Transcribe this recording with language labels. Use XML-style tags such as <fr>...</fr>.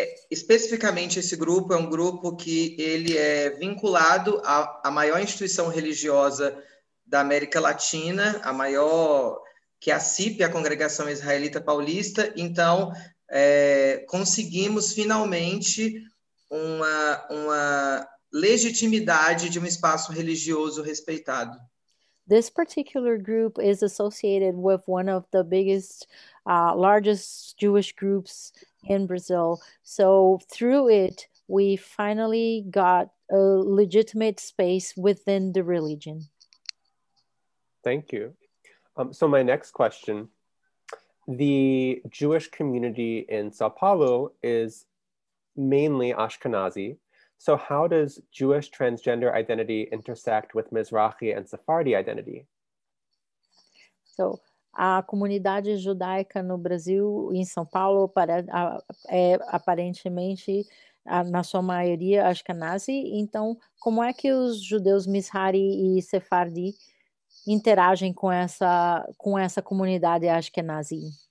<pt>Especificamente esse grupo é um grupo que ele é vinculado à maior instituição religiosa da América Latina, a maior, que é a CIP, a Congregação Israelita Paulista. Então, conseguimos finalmente uma legitimidade de um espaço religioso respeitado.</pt> <en>This particular group is associated with one of the biggest, largest Jewish groups in Brazil. So through it, we finally got a legitimate space within the religion. Thank you. So my next question, the Jewish community in Sao Paulo is mainly Ashkenazi. So how does Jewish transgender identity intersect with Mizrahi and Sephardi identity?</en> <pt>So a comunidade judaica no Brasil, em São Paulo, é aparentemente, na sua maioria, Ashkenazi. Então, como é que os judeus Mizrahi e Sephardi interagem com essa comunidade Ashkenazi?</pt>